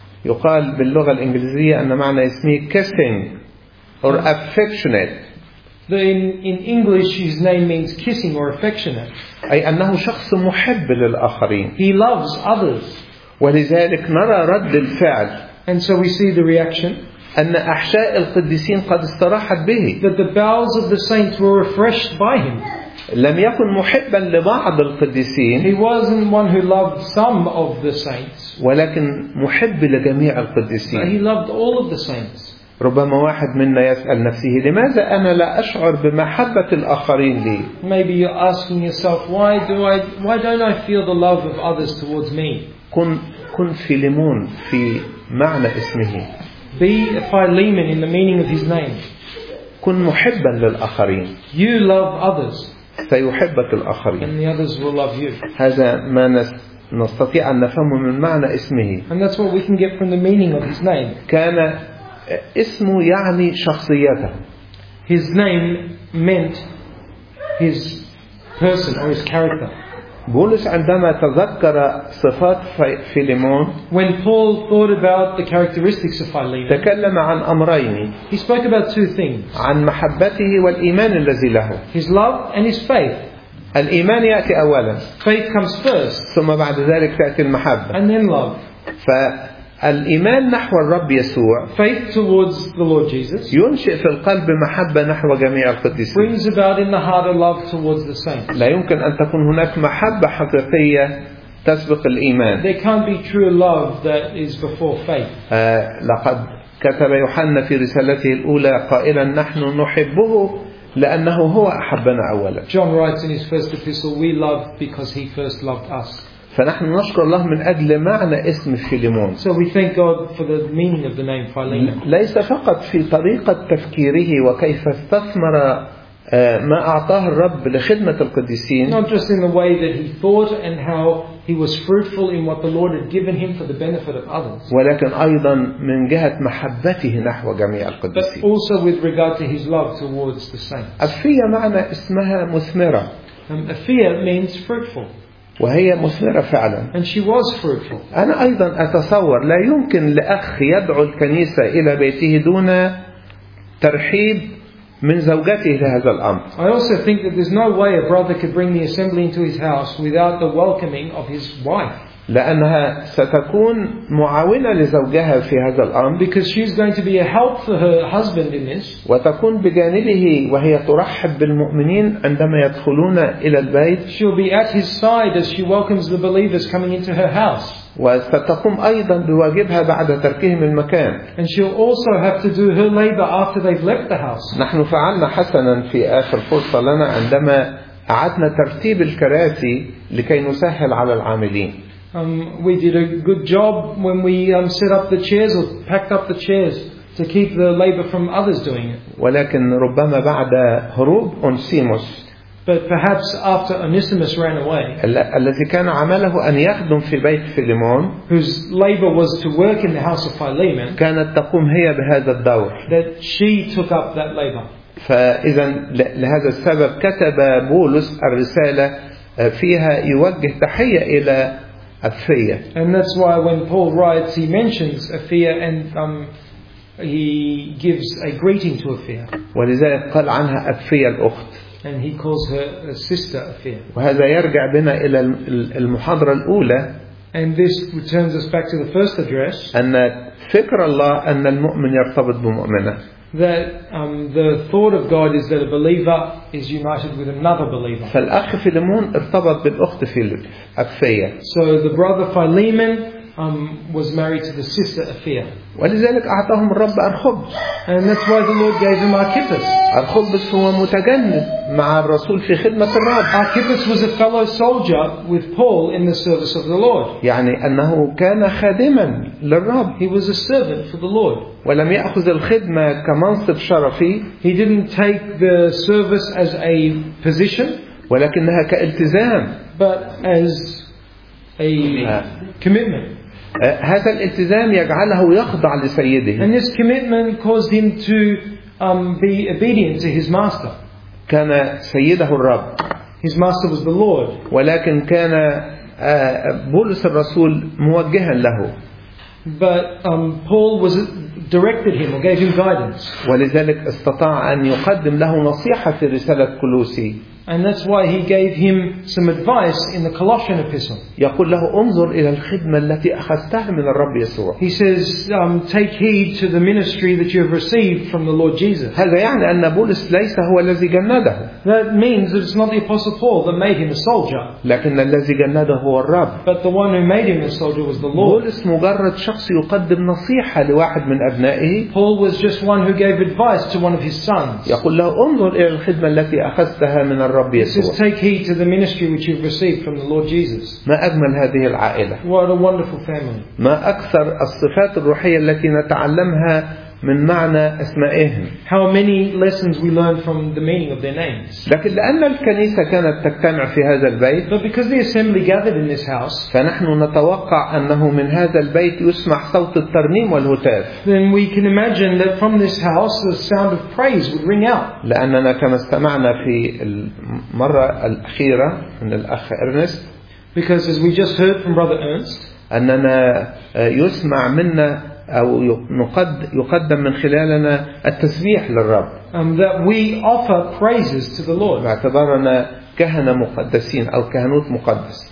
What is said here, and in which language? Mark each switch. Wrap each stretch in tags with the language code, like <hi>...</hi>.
<ar>يقال باللغة الإنجليزية أن معنى اسمه</ar> <en>kissing or affectionate. In English his name means kissing or affectionate.</en> <ar>أي أنه شخص محب للآخرين.</ar> <en>He loves others.</en> <ar>ولذلك نرى رد الفعل.</ar> <en>And so we see the reaction.</en> <ar>أن أحشاء القديسين قد استراحت به.</ar> <en>That the bowels of the saints were refreshed by him.</en> <ar>لم يكن محبا لبعض القديسين.</ar> <en>He wasn't one who loved some of the saints.</en> <ar>ولكن محب لجميع القديسين.</ar> <en>He loved all of the saints.</en> <ar>ربما واحد منا يسأل نفسه لماذا أنا لا أشعر بمحبة الآخرين لي.</ar> <en>Maybe you're asking yourself why don't I feel the love of others towards me.</en> <ar>كن فيليمون في معنى اسمه.</ar> <en>Be Philemon in the meaning of his name.</en> <ar>كن محبا للآخرين.</ar> <en>You love others.</en> <ar>سيحبك الآخرين.</ar> <en>And the others will love you.</en> <ar>هذا ما نستطيع أن نفهمه من معنى اسمه.</ar> <en>And that's what we can get from the meaning of his name.</en> <ar>كان اسمه يعني شخصيته.</ar> <en>His name meant his person or his character.</en> <ar>بولس عندما تذكر صفات فيليمون,</ar> <en>when Paul thought about the characteristics of Philemon,</en> <ar>تكلم عن أمرين.</ar> <en>He spoke about two things.</en> <ar>عن محبته والإيمان الذي له.</ar> <en>His love and his faith.</en> <ar>الإيمان يأتي أولا.</ar> <en>Faith comes first.</en> <ar>ثم بعد ذلك تأتي المحبة.</ar> <en>And then love.</en> <ar>فالإيمان نحو الرب يسوع.</ar> <en>Faith towards the Lord Jesus.</en> <ar>ينشئ في القلب محبة نحو جميع القديسين.</ar> <en>Brings about in the heart a love towards the saints.</en> <ar>لا يمكن أن تكون هناك محبة حقيقية تسبق الإيمان.</ar> <en>There can't be true love that is before faith.</en> <ar>لقد كتب يوحنا في رسالته الأولى قائلا نحن نحبه لأنه هو أحبنا أولا.</ar> <en>John writes in his first epistle, we love because he first loved us.</en> <ar>فنحن نشكر الله من أجل معنى اسم فيليمون.</ar> <en>So we thank God for the meaning of the name Philemon.</en> <ar>ليس فقط في طريقة تفكيره وكيف استثمر ما أعطاه الرب لخدمة القديسين.</ar> <en>Not just in the way that he thought and how he was fruitful in what the Lord had given him for the benefit of others.</en> <ar>ولكن أيضا من جهة محبته نحو جميع القديسين.</ar> <en>But also with regard to his love towards the saints.</en> <ar>أفية معنى اسمها مثمرة.</ar> <en>أفية means fruitful.</en> <ar>وهي مثمرة فعلا.</ar> <en>And she was fruitful.</en> <ar>أنا أيضا أتصور لا يمكن لأخ يدعو الكنيسة إلى بيته دون ترحيب من زوجته لهذا الأمر.</ar> <en>I also think that there's no way a brother could bring the assembly into his house without the welcoming of his wife.</en> <ar>لأنها ستكون معاونة لزوجها في هذا الأمر.</ar> <en>Because she's going to be a help for her husband in this.</en> <ar>وتكون بجانبه وهي ترحب بالمؤمنين عندما يدخلون إلى البيت.</ar> <en>She'll be at his side as she welcomes the believers coming into her house.</en> <ar>وستقوم أيضا بواجبها بعد تركهم المكان.</ar> <en>And she'll also have to do her labor after they've left the house.</en> <ar>نحن فعلنا حسنا في آخر فرصة لنا عندما أعدنا ترتيب الكراسي لكي نسهل على العاملين.</ar> <en>We did a good job when we set up the chairs or packed up the chairs to keep the labor from others doing it.</en> <ar>ولكن ربما بعد هروب أونسيموس.</ar> <en>But perhaps after Onesimus ran away.</en> <ar>الذي كان عمله أن يخدم في بيت فيليمون.</ar> <en>Whose labor was to work in the house of Philemon.</en> <ar>كانت تقوم هي بهذا الدور.</ar> <en>That she took up that labor.</en> <ar>فإذا لهذا السبب كتب بولس الرسالة فيها يوجه تحية إلى أفيه.</ar> <en>And that's why when Paul writes, he mentions Apphia and he gives a greeting to Apphia.</en> <ar>ولذلك قال عنها أفيه الأخت.</ar> <en>And he calls her a sister Apphia.</en> <ar>وهذا يرجع بنا إلى المحاضرة الأولى.</ar> <en>And this returns us back to the first address.</en> <ar>أن فكر الله أن المؤمن يرتبط بمؤمنة.</ar> <en>That the thought of God is that a believer is united with another believer.</en> <ar>فالأخ فيليمون ارتبط بالأخت أفية.</ar> <en>So the brother Philemon was married to the sister Apphia.</en> <ar>ولذلك أعطاهم الرب الخبز.</ar> <en>And that's why the Lord gave him Archippus.</en> <ar>الخبز هو متجند مع الرسول في خدمة الرب.</ar> <en>Archippus was a fellow soldier with Paul in the service of the Lord.</en> <ar>يعني أنه كان خادما للرب.</ar> <en>He was a servant for the Lord.</en> <ar>ولم يأخذ الخدمة كمنصب شرفي.</ar> <en>He didn't take the service as a position.</en> <ar>ولكنها كالتزام.</ar> <en>But as a commitment.</en> <ar>هذا الالتزام يجعله يخضع لسيده.</ar> <en>And this commitment caused him to be obedient to his master.</en> <ar>كان سيده الرب.</ar> <en>His master was the Lord.</en> <ar>ولكن كان بولس الرسول موجها له.</ar> <en>But Paul was directed him or gave him guidance.</en> <ar>ولذلك استطاع أن يقدم له نصيحة في رسالة كولوسي.</ar> <en>And that's why he gave him some advice in the Colossian epistle.</en> <ar>يقول له انظر إلى الخدمة التي أخذتها من الرب يسوع.</ar> <en>He says, take heed to the ministry that you have received from the Lord Jesus.</en> <ar>هذا يعني أن بولس ليس هو الذي جنده.</ar> <en>That means that it's not the apostle Paul that made him a soldier.</en> <ar>لكن الذي جنده هو الرب.</ar> <en>But the one who made him a soldier was the Lord.</en> <ar>بولس مجرد شخص يقدم نصيحة لواحد من أبنائه.</ar> <en>Paul was just one who gave advice to one of his sons.</en> <ar>يقول له انظر إلى الخدمة التي أخذتها من الرب. ربي يسوع.</ar> <en>He says, take heed to the ministry which you've received from the Lord Jesus.</en> <ar>ما أجمل هذه العائلة.</ar> <en>What a wonderful family.</en> <ar>ما أكثر الصفات الروحية التي نتعلمها من معنى أسمائهم.</ar> <en>How many lessons we learn from the meaning of their names.</en> <ar>لكن لأن الكنيسة كانت تجتمع في هذا البيت.</ar> <en>But because the assembly gathered in this house.</en> <ar>فنحن نتوقع أنه من هذا البيت يسمع صوت الترنيم والهتاف.</ar> <en>Then we can imagine that from this house the sound of praise would ring out.</en> <ar>لأننا كما استمعنا في المرة الأخيرة من الأخ إرنست.</ar> <en>Because as we just heard from Brother Ernst.</en> <ar>أننا يسمع منا أو يقدم من خلالنا التسبيح للرب.</ar> <en>That we offer praises to the Lord.</en> <ar>باعتبارنا كهنة مقدسين أو كهنوت مقدس.</ar>